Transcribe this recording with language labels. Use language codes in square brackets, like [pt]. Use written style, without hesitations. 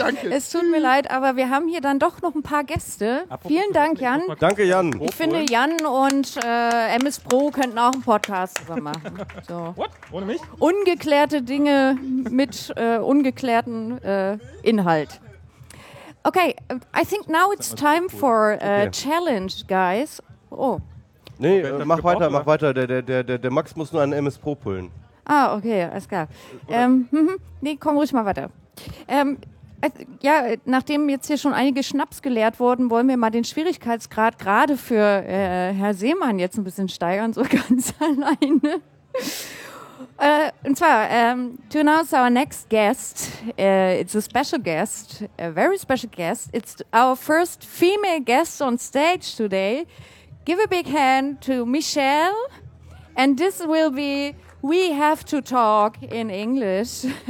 [de] Es tut mir leid, aber wir haben hier dann doch noch ein paar Gäste. Apropos Vielen Dank, Jan. Danke, Jan. Ich finde, Jan und MS Pro könnten auch einen Podcast zusammen machen. So. [en] What? [de] Ohne mich? Ungeklärte Dinge mit ungeklärten Inhalt. [en] Okay, I think now it's time for a challenge, guys. Oh. [de] Nee, mach weiter. Der Max muss nur einen MS Pro pullen. Ah, okay, alles klar. Nee, komm ruhig mal weiter. Ja, nachdem jetzt hier schon einige Schnaps geleert wurden, wollen wir mal den Schwierigkeitsgrad gerade für Herr Seemann jetzt ein bisschen steigern, so ganz alleine. [en] To announce our next guest, it's a special guest, a very special guest. It's our first female guest on stage today. Give a big hand to Michelle, and this will be... We have to talk in English.